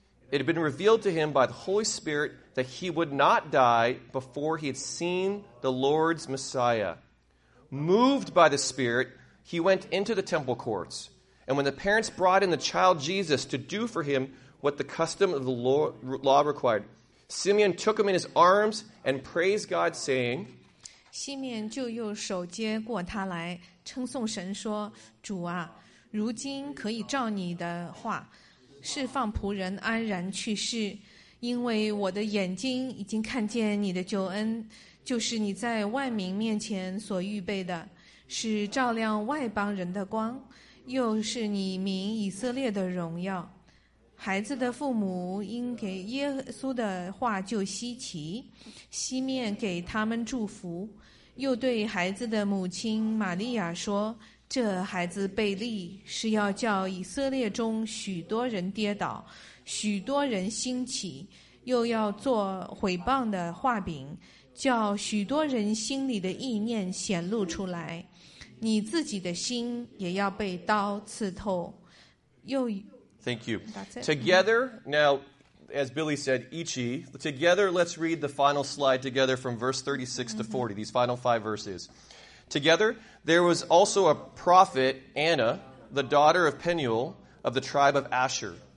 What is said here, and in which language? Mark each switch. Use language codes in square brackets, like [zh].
[en] It had been revealed to him by the Holy Spirit that he would not die before he had seen the Lord's Messiah. Moved by the Spirit, he went into the temple courts. And when the parents brought in the child Jesus to do for him what the custom of the law required, Simeon took him in his arms and praised God, saying, [zh] 西面就用手接过他来，称颂神说，主啊，如今可以照你的话，释放仆人安然去世，因为我的眼睛已经看见你的救恩，就是你在万民面前所预备的，是照亮外邦人的光，又是你名以色列的荣耀。孩子的父母因给耶稣的话就稀奇，西面给他们祝福，又对孩子的母亲玛利亚说，这孩子被立是要叫以色列中许多人跌倒，许多人兴起，又要做毁谤的画饼，叫许多人心里的意念显露出来，你自己的心也要被刀刺透。又 [en] Thank you. Together, now, as Billy said, Ichi, together let's read the final slide together from verse 36 to 40, these final five verses. Together, there was also a prophet, Anna, the daughter of Peniel of the tribe of Asher.